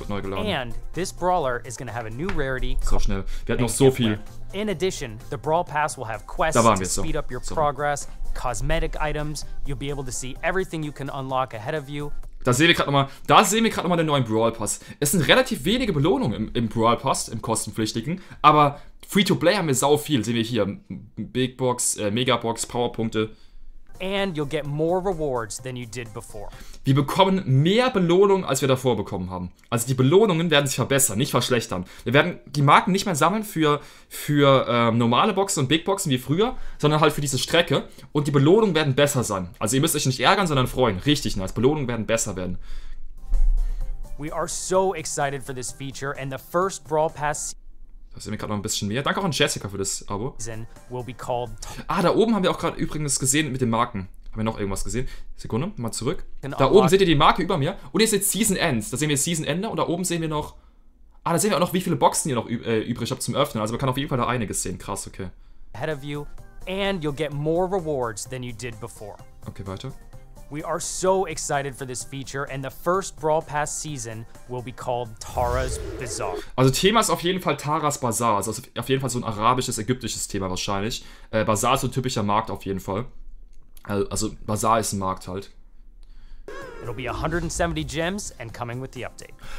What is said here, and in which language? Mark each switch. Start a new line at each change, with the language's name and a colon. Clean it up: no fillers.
English: And this brawler is gonna have a new rarity.
German: So schnell. Wir hatten noch so viel.
English: In addition, the brawl pass will have quests to speed up your progress. Cosmetic items, you'll be able to see everything you can unlock ahead of you.
German: Da sehen wir gerade nochmal den neuen Brawl Pass. Es sind relativ wenige Belohnungen im Brawl Pass, im kostenpflichtigen, aber Free-to-Play haben wir sau viel. Sehen wir hier, Big Box, Megabox, Powerpunkte.
English: And you'll get more rewards than you did before.
German: Wir bekommen mehr Belohnungen, als wir davor bekommen haben. Also die Belohnungen werden sich verbessern, nicht verschlechtern. Wir werden die Marken nicht mehr sammeln für normale Boxen und Big Boxen wie früher, sondern halt für diese Strecke. Und die Belohnungen werden besser sein. Also ihr müsst euch nicht ärgern, sondern freuen. Richtig nice. Belohnungen werden besser werden.
English: We are so excited for this feature and the first Brawl Pass.
German: Da sehen wir gerade noch ein bisschen mehr. Danke auch an Jessica für das Abo.
English: Will be called.
German: Ah, da oben haben wir auch gerade übrigens gesehen mit den Marken. Haben wir noch irgendwas gesehen? Sekunde, mal zurück. Da oben seht ihr die Marke über mir. Und hier ist jetzt Season Ends. Da sehen wir Season Ende und da oben sehen wir noch. Ah, da sehen wir auch noch, wie viele Boxen ihr noch übrig habt zum Öffnen. Also man kann auf jeden Fall da einiges sehen. Krass, okay.
English: Ahead of you and you'll get more rewards than you did before.
German: Okay, weiter.
English: We are so excited for this feature and the first Brawl Pass season will be called Tara's Bazaar.
German: Also Thema ist auf jeden Fall Tara's Bazaar, also auf jeden Fall so ein arabisches, ägyptisches Thema wahrscheinlich. Bazaar ist so ein typischer Markt auf jeden Fall. Also Bazaar ist ein Markt halt.
English: It'll be 170 gems and coming with the update.